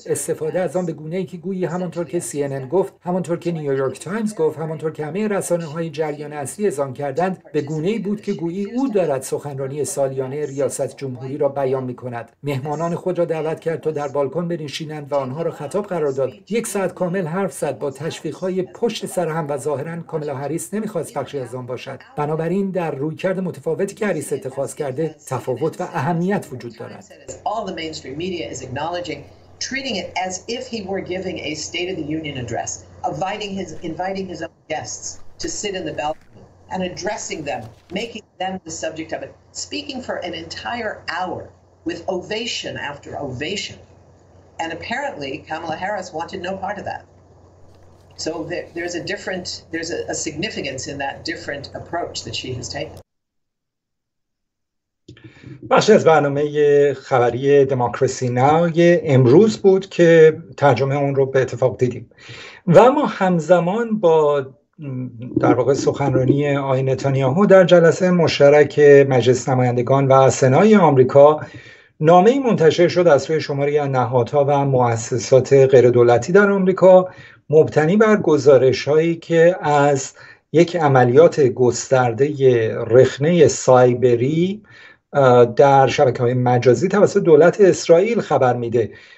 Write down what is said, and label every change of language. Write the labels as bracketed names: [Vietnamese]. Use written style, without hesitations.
[Persian] استفاده از آن به گونه‌ای که گویی همانطور که CNN گفت، همانطور که نیویورک تایمز گفت، همانطور که همه رسانه‌های جریان اصلی اعلام کردند، به گونه‌ای بود که گویی او دارد سخنرانی سالیانه ریاست جمهوری را بیان می‌کند. مهمانان خود را دعوت کرد تا در بالکن بنشینند و آنها را خطاب قرار داد. یک ساعت کامل حرف زد با تشویق‌های پشت سر هم و ظاهراً کاملا هریس نمی‌خواست بخشی از آن باشد. بنابراین در رویکرد متفاوتی که هریس اتخاذ کرده تفاوت و اهمیت وجود دارد. [English] All the mainstream media is acknowledging treating it as if he were giving a state of the union address, inviting his own guests to sit in the balcony and addressing them, making them the subject of it, speaking for an entire hour with ovation after ovation. And apparently Kamala Harris wanted no part of that. So there's a significance in that different approach that she has taken. [Persian] بخشی از برنامه خبری دموکراسی ناو امروز بود که ترجمه اون رو به اتفاق دیدیم. و اما همزمان با در واقع سخنرانی آقای نتانیاهو در جلسه مشترک مجلس نمایندگان و سنای آمریکا، نامه‌ای منتشر شد از سوی شماری از نهادها و مؤسسات غیردولتی در آمریکا مبتنی بر گزارش‌هایی که از یک عملیات گسترده رخنه سایبری در شبکه‌های مجازی توسط دولت اسرائیل خبر میده.